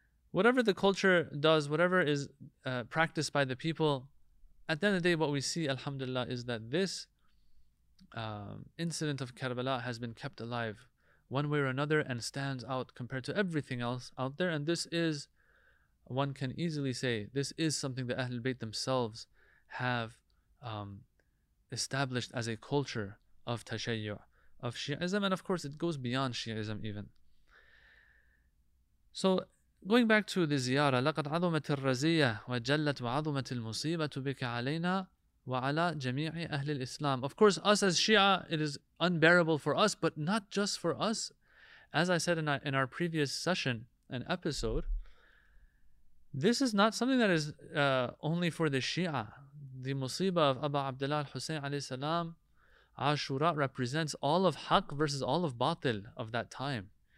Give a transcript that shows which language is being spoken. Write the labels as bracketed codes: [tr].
[en] Whatever the culture does, whatever is practiced by the people, at the end of the day, what we see, alhamdulillah, is that this incident of Karbala has been kept alive one way or another and stands out compared to everything else out there. And this is, one can easily say, this is something the Ahlul Bayt themselves have established as a culture of tashayyu, of Shi'ism. And of course, it goes beyond Shi'ism even. So going back to the ziyara, [ar] لَقَدْ عَظُمَتِ الرَّزِيَّةِ وَجَلَّتْ وَعَظُمَتِ الْمُصِيبَةُ بِكَ عَلَيْنَا وَعَلَى جَمِيعِ أَهْلِ الْإِسْلَامِ. [en] Of course, us as Shia, it is unbearable for us, but not just for us. As I said in our previous session and episode, this is not something that is only for the Shia. The musibah of Abu Abdullah al-Husayn alayhi salam, Ashura, represents all of Haqq versus all of Batil of that time.